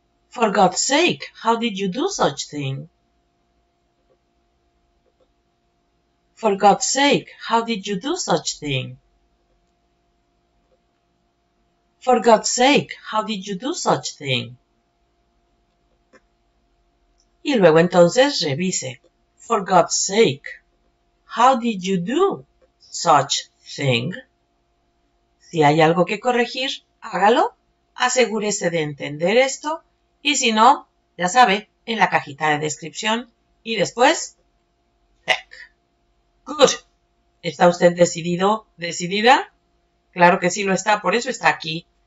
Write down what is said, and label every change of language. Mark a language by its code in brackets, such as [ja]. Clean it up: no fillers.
[en] For God's sake, how did you do such thing? For God's sake, how did you do such thing? For God's sake, how did you do such thing? [es] Y luego entonces revise. [en] For God's sake, how did you do such thing? [es] Si hay algo que corregir, hágalo. Asegúrese de entender esto. Y si no, ya sabe, en la cajita de descripción. Y después, [en] check. Good. [es] ¿Está usted decidido, decidida? Claro que sí lo está, por eso está aquí.